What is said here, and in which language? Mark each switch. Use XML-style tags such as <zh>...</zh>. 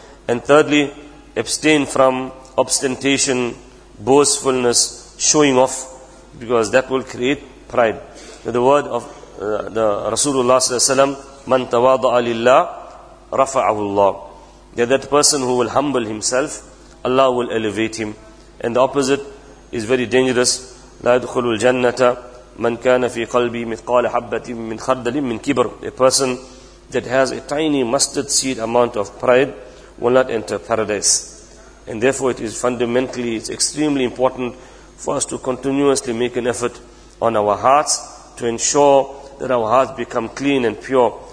<en>And thirdly, abstain from ostentation, boastfulness, showing off, because that will create pride. The word of the Rasulullah sallallahu alaihi wasallam,</en> <ar>man tawada'a lillah rafa'ahu Allah.</ar> <en>That person who will humble himself, Allah will elevate him. And the opposite is very dangerous.</en> <ar>لا يدخل الجنة من كان في قلبي مثقال حبة من خردل من كبر.</ar> <en>A person that has a tiny mustard seed amount of pride will not enter paradise. And therefore it is fundamentally, it's extremely important for us to continuously make an effort on our hearts to ensure that our hearts become clean and pure.</en>